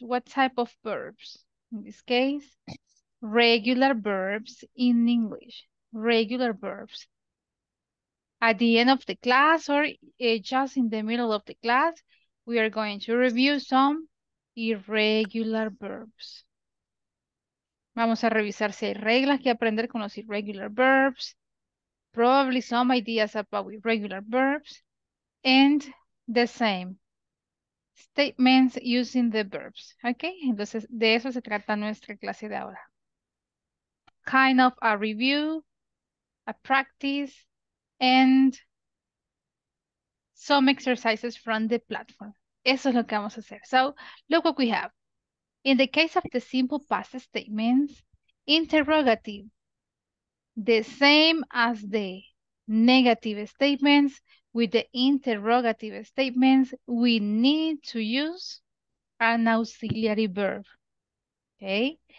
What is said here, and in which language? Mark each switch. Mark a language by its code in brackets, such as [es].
[en] What type of verbs? In this case, regular verbs in English. Regular verbs. At the end of the class or just in the middle of the class, we are going to review some irregular verbs. [es] Vamos a revisar si hay reglas que aprender con los [en] irregular verbs. Probably some ideas about irregular verbs. And the same. statements using the verbs. [es] Okay, entonces de eso se trata nuestra clase de ahora. [en] Kind of a review, a practice, and some exercises from the platform. [es] Eso es lo que vamos a hacer. [en] So, look what we have. In the case of the simple past statements, interrogative, the same as the negative statements, with the interrogative statements, we need to use an auxiliary verb. Okay?